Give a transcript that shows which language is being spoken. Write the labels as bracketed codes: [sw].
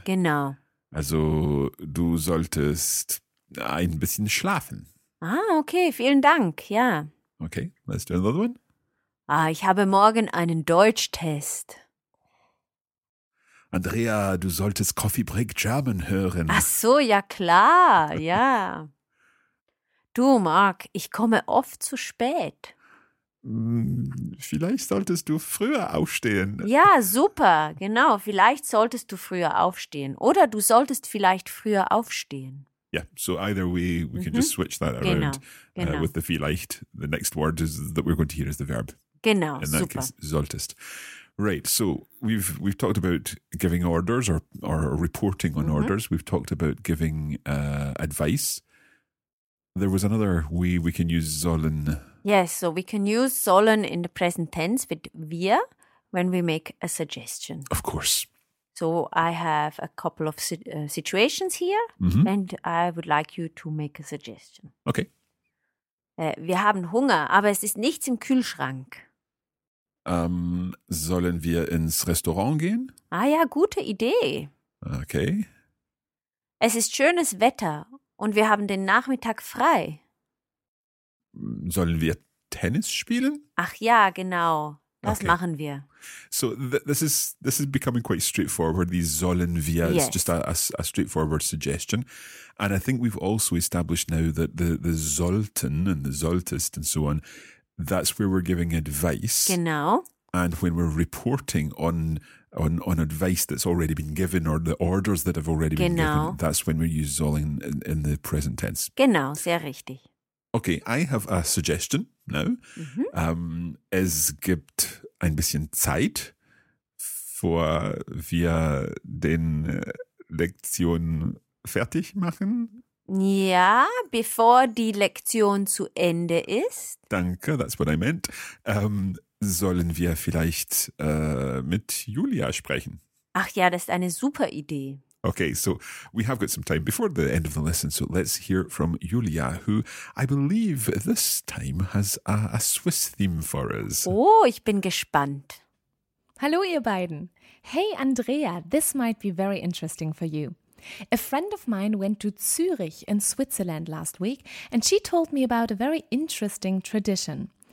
[de] Genau. Also, du solltest ein bisschen schlafen. Ah, okay, vielen Dank, ja. [en] Okay, let's do another one. [de] Ah, ich habe morgen einen Deutschtest. Andrea, du solltest Coffee Break German hören. Ach so, ja klar, ja. Du, Mark, ich komme oft zu spät. Vielleicht solltest du früher aufstehen. Ja, super, genau. Vielleicht solltest du früher aufstehen. Oder du solltest vielleicht früher aufstehen. [en] Yeah, so either way, we can just switch that around. [de] Genau. [en] With the vielleicht, the next word is, that we're going to hear is the verb. [de] Genau, [en] in that [de] super. [en] Case, solltest. Right. So we've talked about giving orders or reporting on orders. We've talked about giving advice. There was another way we can use sollen. Yes, so we can use sollen in the present tense with wir when we make a suggestion. Of course. So I have a couple of situations here and I would like you to make a suggestion. Okay. [de] Wir haben Hunger, aber es ist nichts im Kühlschrank. Sollen wir ins Restaurant gehen? Ah ja, gute Idee. [en] Okay. [de] Es ist schönes Wetter und wir haben den Nachmittag frei. Sollen wir Tennis spielen? Ach ja, genau. Das machen wir. [en] So this is becoming quite straightforward. These sollen wir is just a straightforward suggestion. And I think we've also established now that the sollten and the solltest and so on, that's where we're giving advice. [de] Genau. [en] And when we're reporting on advice that's already been given or the orders that have already been given, that's when we use sollen in the present tense. [de] Genau, sehr richtig. [en] Okay, I have a suggestion now. Mm-hmm. [de] Es gibt ein bisschen Zeit, bevor wir den Lektion fertig machen. Ja, bevor die Lektion zu Ende ist. [en] Danke, that's what I meant. [de] Sollen wir vielleicht mit Julia sprechen? Ach ja, das ist eine super Idee. [en] Okay, so we have got some time before the end of the lesson, so let's hear from Julia, who I believe this time has a Swiss theme for us. [de] Oh, ich bin gespannt. Hallo, ihr beiden. [en] Hey, Andrea, this might be very interesting for you. A friend of mine went to Zürich in Switzerland last week, and she told me about a very interesting tradition.